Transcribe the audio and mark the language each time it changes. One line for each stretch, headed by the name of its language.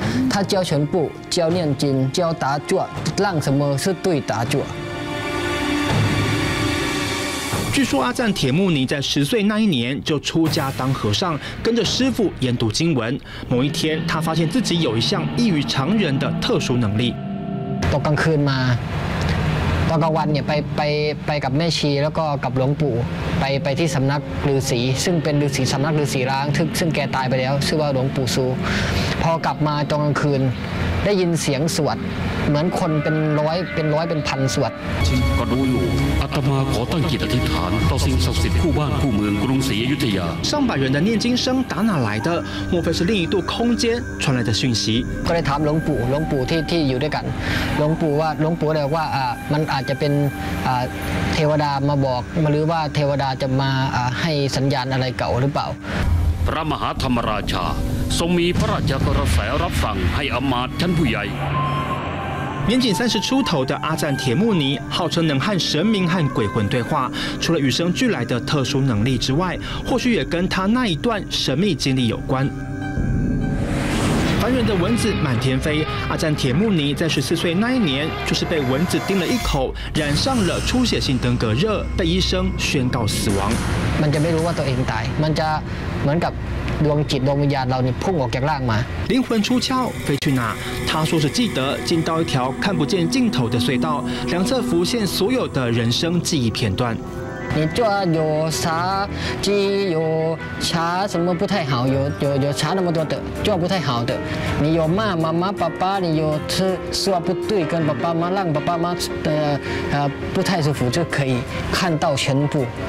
Chinese: 他教全部，教念经，教打坐，让什么是对打坐。据说阿赞铁木尼在十岁那一年就出家当和尚，跟着师父研读经文。某一天，他发现自己有一项异于常人的特殊能力。到刚去嘛，到刚完也拜跟
Thai: แม่ชี，
Chinese: 然后跟
Thai: หลวงปู่ไปที่สำนักฤาษี，ซึ่งเป็นฤาษีสำนักฤาษีร้างทึกซึ่งแกตายไปแล้วชื่อว่าหลวงปู่ซูพอกลับมาตอนกลางคืนได้ยินเสียงสวดเหมือนคนเป็นร้อยเป็นพันสวด ก็รู้อยู่อาตมาขอตั้งจิตอธิษฐานต่อสิ่งศักดิ์สิทธิ์คู่บ้านคู่เมืองกรุงศรีอยุธยา
Chinese: 上百人的念经声打哪来的莫非是另一度空间传来的讯息
Thai: ก็เลยถามหลวงปู่ที่อยู่ด้วยกันหลวงปู่เลยว่ามันอาจจะเป็นเทวดามาบอกหรือว่าเทวดาจะมาให้สัญญาณอะไรเก่าหรือเปล่า พระมหาธรรมราชาทรงมีพระราชกระแสรับฟังให้อมาตย์ชั้นผู้ใหญ่
Chinese: 年仅三十出头的阿赞铁木尼号称能和神明和鬼魂对话，除了与生俱来的特殊能力之外，或许也跟他那一段神秘经历有关。凡人的蚊子满天飞，阿赞铁木尼在十四岁那一年，就是被蚊子叮了一口，染上了出血性登革热，被医生宣告死亡。
Thai: มันจะไม่รู้ว่าตัวเองตาย，มันจะเหมือนกับดวงจิตดวงวิญญาณเราเนี่ยพุ่งออกจากร่างมา。
Chinese: 灵魂出窍飞去哪？他说是记得进到一条看不见尽头的隧道，两侧浮现所有的人生记忆片段。你就有啥记忆，有啥什么不太好，有啥那么多的，就不太好的。你有骂妈妈、爸爸，你有吃说不对，跟爸爸妈妈让爸爸妈的不太舒服，就可以看到全部。